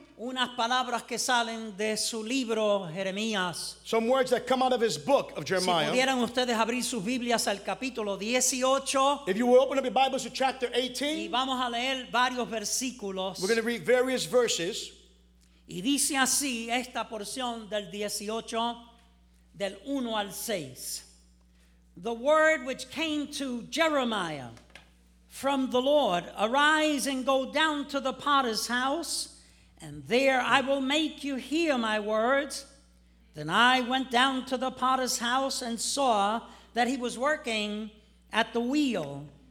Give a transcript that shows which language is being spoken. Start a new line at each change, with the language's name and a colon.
Spanish: Unas palabras que salen de su libro Jeremías.
English: Some words that come out of his book of Jeremiah.
Spanish: Si pudieran ustedes abrir sus Biblias al capítulo 18.
English: If you will open up your Bibles to chapter 18.
Spanish: Y vamos a leer varios versículos.
English: We're going to read various verses.
Spanish: Y dice así esta porción del 18 del 1 al 6.
English: The word which came to Jeremiah from the Lord, arise and go down to the potter's house. And there I will make you hear my words. Then I went down to the potter's house and saw that he was working at the wheel.